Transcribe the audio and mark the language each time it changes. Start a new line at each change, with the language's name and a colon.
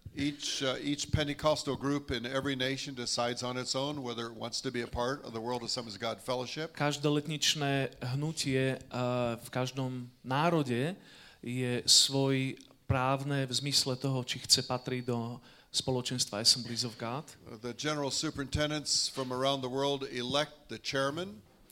English: Each Pentecostal group in every nation decides on its own whether it wants to be a part of the World Assemblies of God fellowship.
Slovak: Každé letničné hnutie v každom národe je svoj právne v zmysle toho, či chce patriť do spoločenstva Assemblies of God.
English: The general superintendents from around the world elect the chairman.